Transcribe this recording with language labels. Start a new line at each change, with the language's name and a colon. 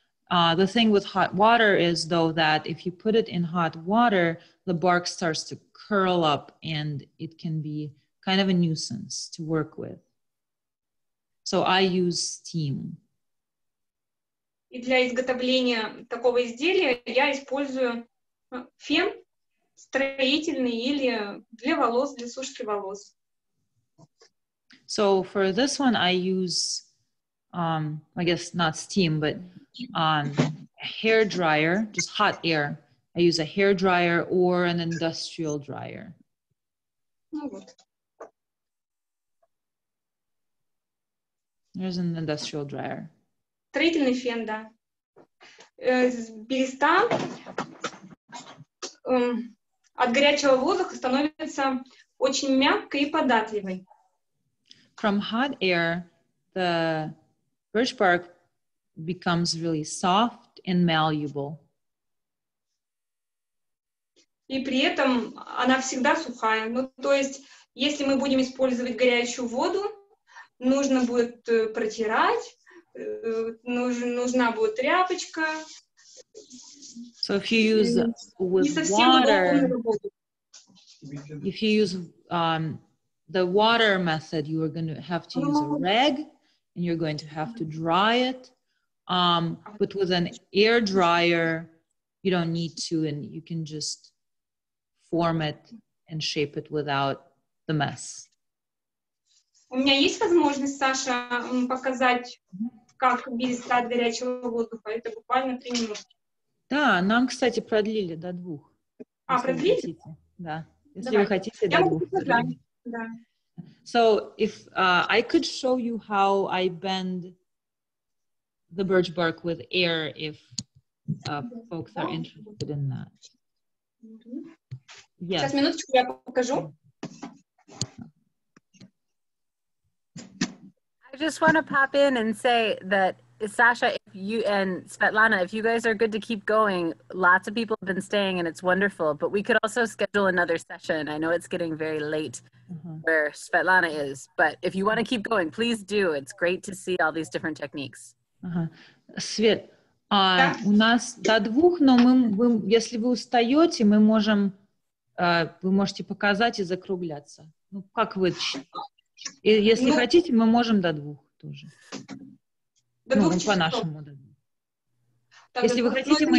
English: The thing with hot water is, though, that if you put it in hot water, the bark starts to curl up and it can be kind of a nuisance to work with. So I use steam.
Russian: И для изготовления такого изделия я использую фен строительный или для волос, для сушки волос.
English: So for this one I use, I guess not steam, but a hair dryer, just hot air. I use a hair dryer or an industrial dryer. There's an industrial dryer.
Russian: Строительный фен, да. Береста от горячего воздуха становится очень мягкой и податливой. From hot air, the birch bark becomes really soft and malleable. И при этом она всегда сухая. Ну, то есть, если мы будем использовать горячую воду, нужно будет протирать, нужна будет тряпочка. So if you use with water, if you use the water method, you are going to have to use a rag, and you're going to have to dry it. But with an air dryer, you don't need to, and you can just form it and shape it without the mess. У меня есть возможность, Саша, показать, как береста от горячего воздуха. Это буквально 3 минутки. Да, нам, кстати, продлили до 2. А, продлили? Хотите. Да. Если Давай. Вы хотите, Я до 2. Да.
English: So, if I could show you how I bend the birch bark with air, if folks are interested in that. Yes.
Russian: Сейчас, минуточку, я покажу.
English: I just want to pop in and say that Sasha, if you and Svetlana, if you guys are good to keep going, lots of people have been staying and it's wonderful, but we could also schedule another session. I know it's getting very late where Svetlana is, but if you want to keep going, please do. It's great to see all these different techniques.
Russian: Свет, у нас до 2, но мы, если вы устаете, мы можем, вы можете показать и закругляться. Ну, как вы? И если хотите, мы можем до 2 тоже. До 2 часов. По-нашему, до 2. Если вы хотите, мы...